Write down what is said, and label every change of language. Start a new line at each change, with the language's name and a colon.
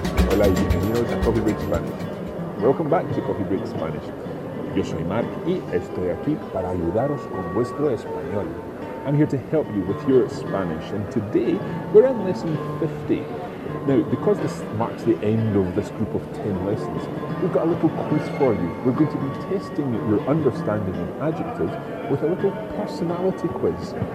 Spanish: Hola y bienvenidos a Coffee Break Spanish.
English: Welcome back to Coffee Break Spanish.
Spanish: Yo soy Mark y estoy aquí para ayudaros con vuestro español.
English: I'm here to help you with your Spanish, and today we're in lesson 50. Now, because this marks the end of this group of 10 lessons, we've got a little quiz for you. We're going to be testing your understanding of adjectives with a little personality quiz.